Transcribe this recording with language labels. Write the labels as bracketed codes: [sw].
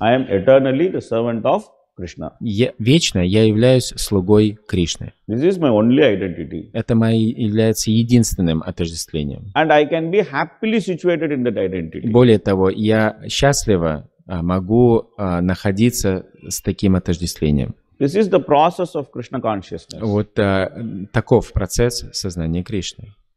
[en] I am eternally the servant of Krishna. [ru] Вечно я являюсь слугой Кришны. [en] This is my only identity. [ru] Это является единственным отождествлением. [en] And I can be happily situated in that identity. [ru] Более того, я счастливо могу находиться с таким отождествлением. [en] This is the process of Krishna consciousness. [ru] Вот таков процесс сознания Кришны.